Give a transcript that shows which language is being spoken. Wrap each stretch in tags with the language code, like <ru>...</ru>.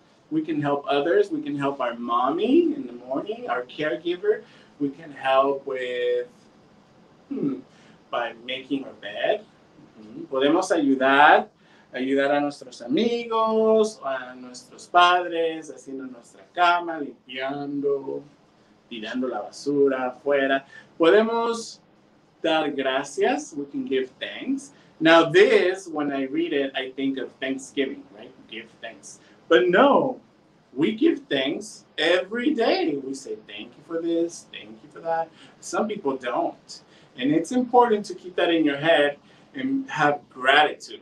<en>We can help others, we can help our mommy in the morning, our caregiver. We can help with, by making our bed.</en> <es>Podemos ayudar, ayudar a nuestros amigos, a nuestros padres, haciendo nuestra cama, limpiando, tirando la basura afuera. Podemos dar gracias,</es> <en>we can give thanks. Now this, when I read it, I think of Thanksgiving, right? Give thanks. But no, we give thanks every day. We say thank you for this, thank you for that. Some people don't. And it's important to keep that in your head and have gratitude.</en>